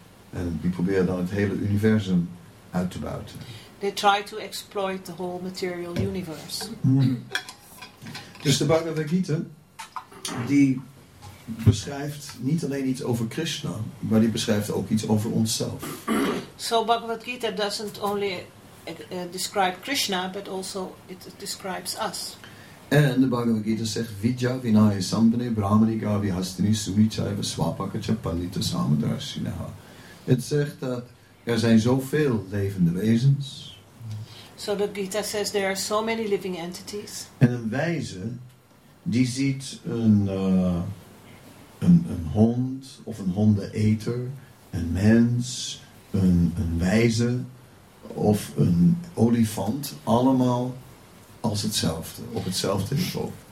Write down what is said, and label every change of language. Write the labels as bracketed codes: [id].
[nl] En die proberen dan het hele universum uit te buiten. [en] They try to exploit the whole material universe. [nl] Dus de Bhagavad Gita, die beschrijft niet alleen iets over Krishna, maar die beschrijft ook iets over onszelf. [en] So Bhagavad Gita doesn't only describe Krishna, but also it describes us. [nl] En de Bhagavad Gita zegt [sa] Vidya Vinaya Sambhane Brahmanika Vihastini Sumichaiva Swapakacha Pandita Samadarsinaha. [nl] Het zegt dat er zijn zoveel levende wezens. [en] So the Gita says there are so many living entities. [nl] En een wijze die ziet een hond of een hondeneter, een mens, een wijze of een olifant, allemaal als hetzelfde, op hetzelfde niveau.